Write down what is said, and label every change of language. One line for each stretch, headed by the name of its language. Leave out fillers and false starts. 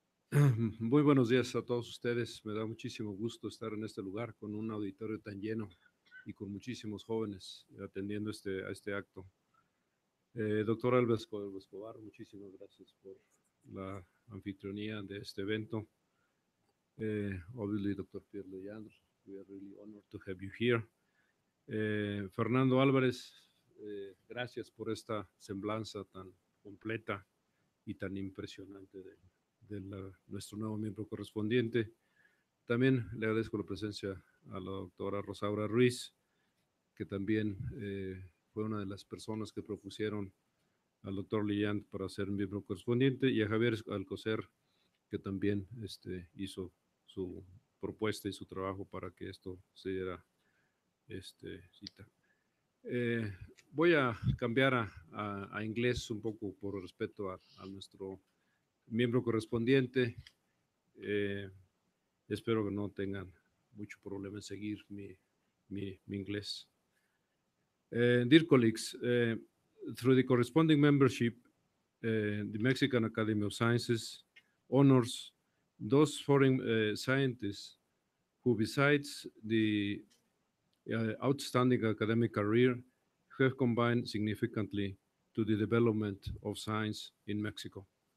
Spanish: Muy buenos días a todos ustedes. Me da muchísimo gusto estar en este lugar con un auditorio tan lleno y con muchísimos jóvenes atendiendo a este acto. Doctor Alberto Escobar, muchísimas gracias por la anfitrionía de este evento. Obviamente,
English: doctor Pierre Legendre, we are really honored to have you here.
Spanish: Fernando Álvarez, gracias por esta semblanza tan completa y tan impresionante de nuestro nuevo miembro correspondiente. También le agradezco la presencia a la doctora Rosaura Ruiz, que también fue una de las personas que propusieron al doctor Legendre para ser miembro correspondiente, y a Javier Alcocer, que también hizo su propuesta y su trabajo para que esto se diera cita. Voy a cambiar a inglés un poco por respeto a nuestro miembro correspondiente. Espero que no tengan mucho problema en seguir mi inglés.
English: Dear colleagues, through the corresponding membership, the Mexican Academy of Sciences honors those foreign scientists who, besides the outstanding academic career, have combined significantly to the development of science in Mexico.